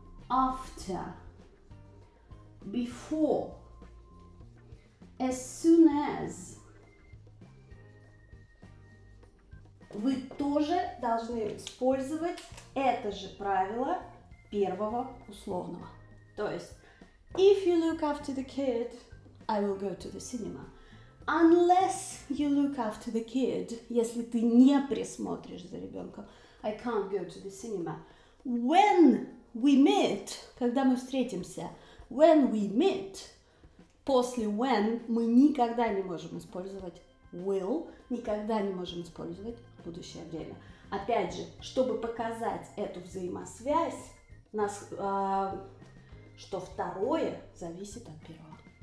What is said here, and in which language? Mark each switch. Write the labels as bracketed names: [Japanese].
[English] after, before, as soon as. [Russian] Вы тоже должны использовать это же правило первого условного. То есть, [English] if you look after the kid, I will go to the cinema. Unless you look after the kid, [Russian] если ты не присмотришь за ребенком, [English] I can't go to the cinema. When we meet, [Russian] когда мы встретимся, [English] when we meet, [Russian] после when мы никогда не можем использовать will, никогда не можем использовать будущее время. Опять же, чтобы показать эту взаимосвязь, что второе зависит от первого.